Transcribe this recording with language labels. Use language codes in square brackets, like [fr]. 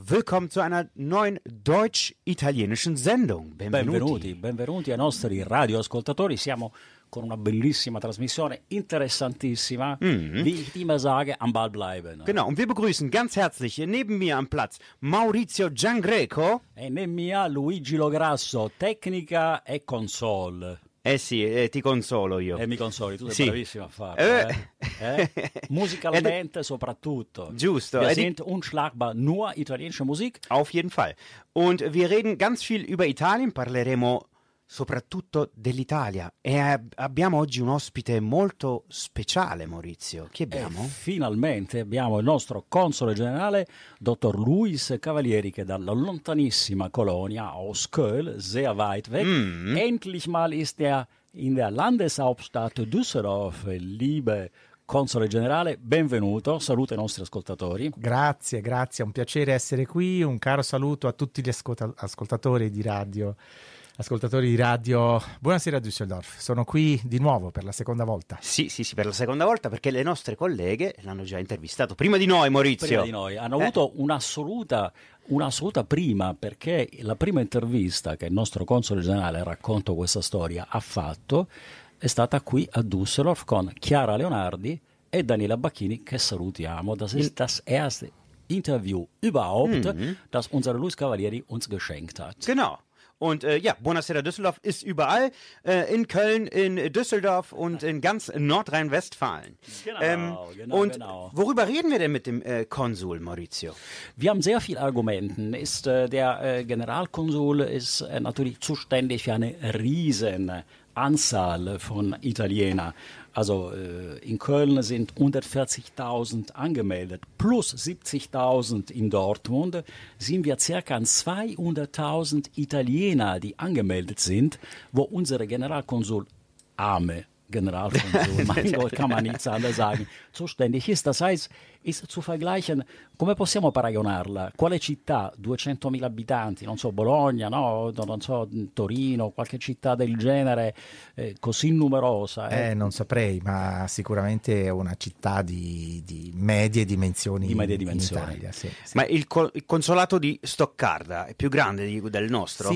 [de] Willkommen zu einer neuen deutsch-italienischen Sendung. [it] Benvenuti ai nostri radioascoltatori. Siamo con una bellissima trasmissione, interessantissima. Mm-hmm. [de] Wie ich immer sage, am Ball bleiben. Genau, und wir begrüßen ganz herzlich hier neben mir am Platz Maurizio Giangreco. [it] E [de] neben mir [it] Luigi Lograsso, tecnica e console. Eh sì, ti consolo io. E mi consoli, tu sei sì. Bravissimo a farlo. Musicalmente soprattutto. Giusto. [de] Wir sind unschlagbar, nur italienische Musik. Auf jeden Fall. Und wir reden ganz viel über Italien, [it] parleremo soprattutto dell'Italia. E abbiamo oggi un ospite molto speciale, Maurizio. Chi abbiamo? E finalmente abbiamo il nostro console generale, dottor Luis Cavalieri, che dalla lontanissima colonia, [de] aus Köln, sehr weit weg, endlich mal ist er in der Landeshauptstadt Düsseldorf, [it] liebe console generale, benvenuto, saluto i nostri ascoltatori. Grazie, è un piacere essere qui, un caro saluto a tutti gli ascoltatori di radio. Ascoltatori di radio, buonasera Düsseldorf, sono qui di nuovo per la seconda volta. Sì, per la seconda volta, perché le nostre colleghe l'hanno già intervistato prima di noi, Maurizio. Prima di noi, hanno avuto un'assoluta prima, perché la prima intervista che il nostro console generale, racconto questa storia, ha fatto è stata qui a Düsseldorf con Chiara Leonardi e Daniela Bacchini, che salutiamo. [de] Das erste Interview überhaupt, das unser Luis Cavalieri uns geschenkt hat. Genau. Und ja, Buonasera Düsseldorf ist überall, in Köln, in Düsseldorf und in ganz Nordrhein-Westfalen. Genau. Worüber reden wir denn mit dem Konsul, Maurizio? Wir haben sehr viele Argumente. Der Generalkonsul ist natürlich zuständig für eine riesen Anzahl von Italienern. Also in Köln sind 140.000 angemeldet, plus 70.000 in Dortmund, sind wir circa 200.000 Italiener, die angemeldet sind, wo unsere Generalkonsul, arme Generalkonsul, mein Gott, kann man nichts anderes sagen, zuständig ist. Das heißt, ist zu vergleichen, [it] come possiamo paragonarla? Quale città, 200.000 abitanti, non so, Bologna, no? Non so, Torino, qualche città del genere, così numerosa? Non saprei, ma sicuramente è una città di medie dimensioni. Di medie dimensioni. In Italia, sì. Ma il consolato di Stoccarda è più grande del nostro?